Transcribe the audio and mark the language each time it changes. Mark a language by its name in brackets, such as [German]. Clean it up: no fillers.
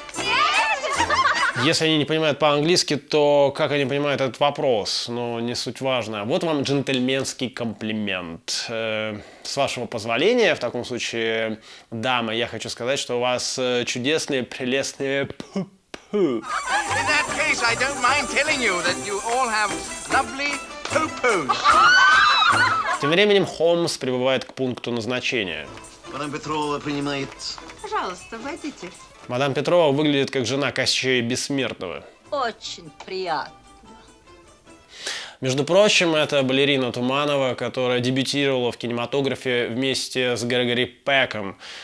[Russian] Нет! Если они не понимают по-английски, то как они понимают этот вопрос? Ну, не суть важно. Вот вам джентльменский комплимент. С вашего позволения, в таком случае, дамы, я хочу сказать, что у вас чудесные, прелестные пу-пу. [English] In that case, I don't mind telling you that you all have lovely poo-poos. [Russian] Тем временем Холмс прибывает к пункту назначения. Мадам Петрова принимает... Пожалуйста, войдите. Мадам Петрова выглядит как жена Кощея Бессмертного. Очень приятно. Между прочим, это балерина Туманова, которая дебютировала в кинематографе вместе с Грегори Пэком.